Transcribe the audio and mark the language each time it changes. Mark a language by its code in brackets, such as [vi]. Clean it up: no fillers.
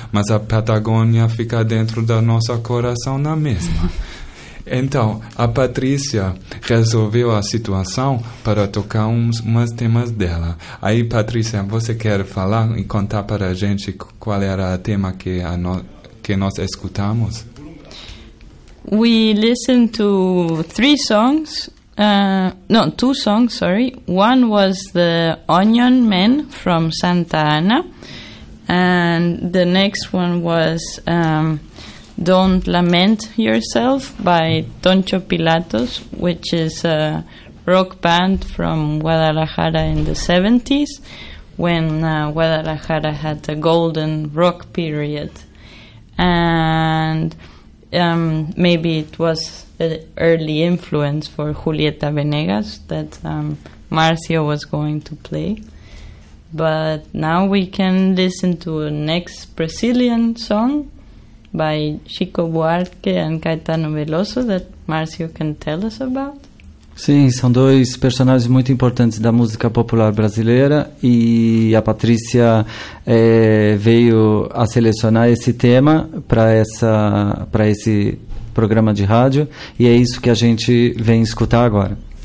[pt] Mas a Patagônia fica dentro do nosso coração na mesma. Então, a Patrícia resolveu a situação para tocar uns temas dela. Aí, Patrícia, você quer falar e contar para a gente qual era o tema que nós escutamos? [en] We listened to three songs. No, two songs, sorry. One was the Onion Man from Santa Ana. And the next one was Don't Lament Yourself by Toncho Pilatos, which is a rock band from Guadalajara in the 70s, when Guadalajara had the golden rock period. And maybe it was an early influence for Julieta Venegas that Marcio was going to play. But now we can listen to a next Brazilian song by Chico Buarque and Caetano Veloso that Marcio can tell us about. [pt] Sim, são dois personagens muito importantes da música popular brasileira e a Patrícia veio a selecionar esse tema para esse programa de rádio e é isso que a gente vem escutar agora.